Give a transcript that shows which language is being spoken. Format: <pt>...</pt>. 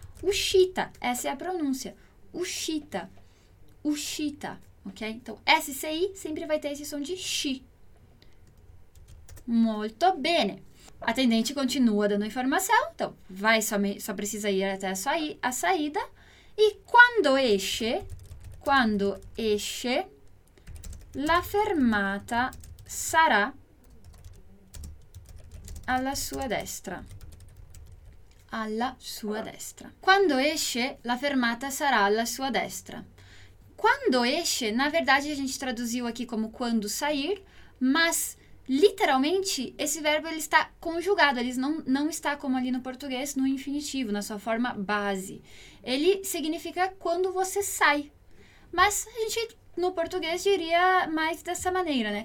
<pt>Uscita. Essa é a pronúncia. Uscita. Uscita. Ok? Então, SCI sempre vai ter esse som de X.</pt> <it>Molto bene.</it> <pt>Atendente continua dando informação, então vai só precisa ir até a saída.</pt> <it>E quando esce, la fermata sarà alla sua destra. Alla sua destra. Quando esce, la fermata sarà alla sua destra.</it> <pt>Quando esce, na verdade a gente traduziu aqui como quando sair, mas literalmente, esse verbo ele está conjugado, ele não está como ali no português, no infinitivo, na sua forma base. Ele significa quando você sai. Mas a gente, no português, diria mais dessa maneira, né?</pt>